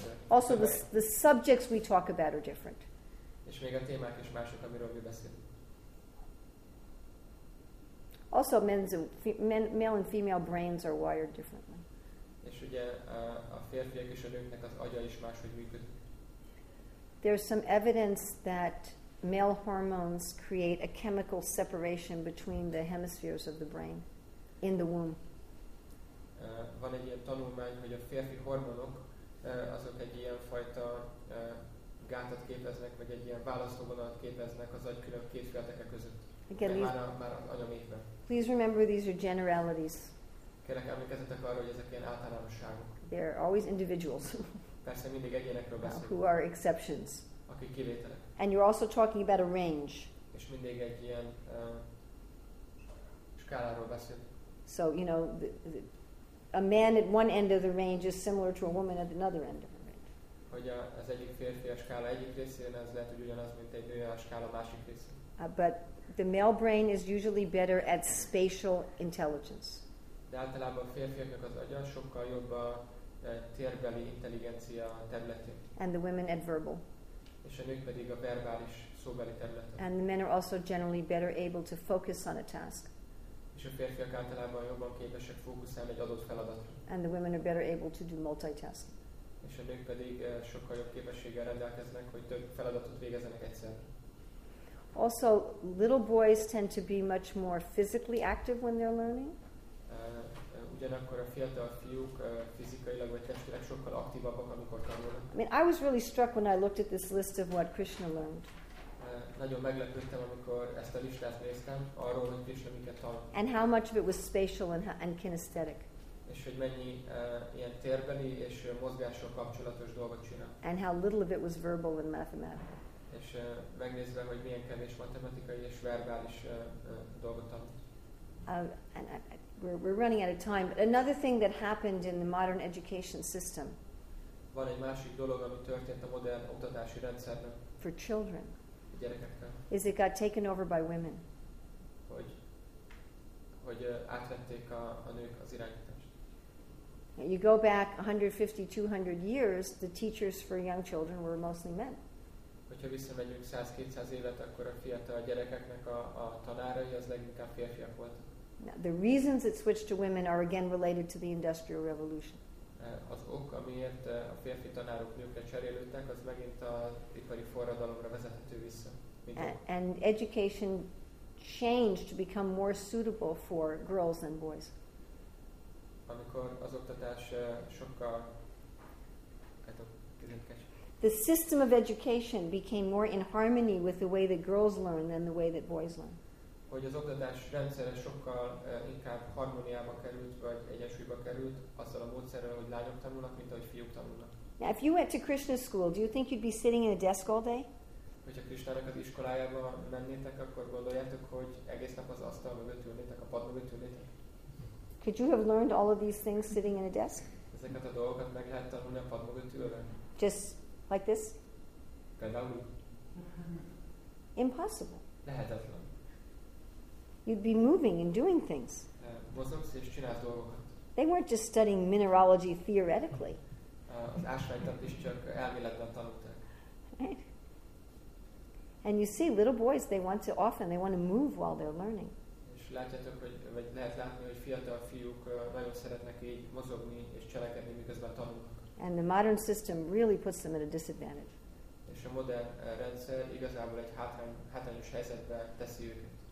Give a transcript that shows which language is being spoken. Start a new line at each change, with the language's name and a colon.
English: Also the subjects we talk about are different.
Hungarian: És még a témák is mások, amiről mi beszélünk.
English: Also, male and female brains are wired differently.
Hungarian: És ugye a férfiak és a nőknek az agya is máshogy működik.
English: There's some evidence that male hormones create a chemical separation between the hemispheres of the brain in the womb.
Hungarian: Van egy ilyen tanulmány, hogy a férfi hormonok azok egy ilyen fajta gátat képeznek, vagy egy ilyen választóvonalat képeznek az agy külön két felteke között.
English: Again,
Hungarian: már az anyamékben.
English: Please remember these are generalities.
Hungarian: Kérlek, emlékezzetek arra, hogy ezek ilyen általánosságok.
English: They are always individuals.
Hungarian: Persze mindig egyénekről beszélünk.
English: Who are exceptions.
Hungarian: Akik kivételek.
English: And you're also talking about a range.
Hungarian: És mindig egy ilyen skáláról beszélünk.
English: So, you know, a man at one end of the range is similar to a woman at another end of the range.
Hungarian: Hogy az egyik férfi a skála egyik részén, ez lehet, hogy ugyanaz, mint egy nő a skála másik részén.
English: But the male brain is usually better at spatial intelligence.
Hungarian: De általában a férfiaknak az agya sokkal jobb a térbeli intelligencia területén.
English: And the women at verbal.
Hungarian: És a nők pedig a verbális, szóbeli területen.
English: And the men are also generally better able to focus on a task.
Hungarian: És a férfiak általában jobban képesek fókuszálni egy adott feladatra.
English: And the women are better able to do multitasking.
Hungarian: És a nők pedig sokkal jobb képességgel rendelkeznek, hogy több feladatot végezzenek egyszerre.
English: Also, little boys tend to be much more physically active when they're learning.
Hungarian: Ugyanakkor a fiatal fiúk fizikailag vagy testileg sokkal aktívabbak, amikor tanulnak.
English: I mean, I was really struck when I looked at this list of what Krishna learned.
Hungarian: Nagyon meglepődtem, amikor ezt a listát néztem, arról, hogy Krishna miket tanult.
English: And how much of it was spatial and kinesthetic.
Hungarian: És hogy mennyi ilyen térbeli és mozgással kapcsolatos dolgot csinál.
English: And how little of it was verbal and mathematical.
Hungarian: És megnézve, hogy milyen kevés matematikai és verbális dolgot tanult.
English: We're running out of time, but another thing that happened in the modern education system.
Hungarian: Van egy másik dolog, ami történt a modern oktatási rendszerben.
English: For children.
Hungarian: A gyerekekkel.
English: Is it got taken over by women?
Hungarian: Hogy átvették a nők az irányítást.
English: You go back 150, 200 years, the teachers for young children were mostly men.
Hungarian: Hogyha visszamegyünk 100-200 évet, akkor a fiatal gyerekeknek a tanárai az leginkább férfiak voltak.
English: Now, the reasons it switched to women are again related to the Industrial Revolution.
Hungarian: Az ok, amiért a férfi tanárok nőkre cserélődtek, az megint az ipari forradalomra vezethető vissza.
English: And education changed to become more suitable for girls than boys.
Hungarian: Amikor az oktatás sokkal
English: The system of education became more in harmony with the way that girls learn than the way that boys learn.
Hungarian: Hogy az oktatás rendszere sokkal inkább harmóniába került, vagy egyensúlyba került azzal a módszerrel, hogy lányok tanulnak, mint ahogy fiúk tanulnak.
English: Now, if you went to Krishna school, do you think you'd be sitting in a desk all day?
Hungarian: Hogyha Krishnának az iskolájába mennétek, akkor gondoljátok, hogy egész nap az asztal mögött ülnétek, a pad mögött ülnétek?
English: Could you have learned all of these things sitting in a desk?
Hungarian: Ezeket a dolgokat meg lehet tanulni a pad mögött ülve?
English: Just like this?
Hungarian: Például.
English: Impossible.
Hungarian: Lehetetlen.
English: You'd be moving and doing things.
Hungarian: Mozogsz és csinálsz dolgokat.
English: They weren't just studying mineralogy theoretically.
Hungarian: Az ásványtat is csak elméletben tanulták.
English: And you see, little boys, they want to move while they're learning.
Hungarian: És látjátok, vagy lehet látni, hogy fiatal fiúk nagyon szeretnek így mozogni és cselekedni, miközben tanulnak.
English: And the modern system really puts them at a disadvantage.
Hungarian: És a modern rendszer igazából egy hátrányos helyzetbe teszi őket.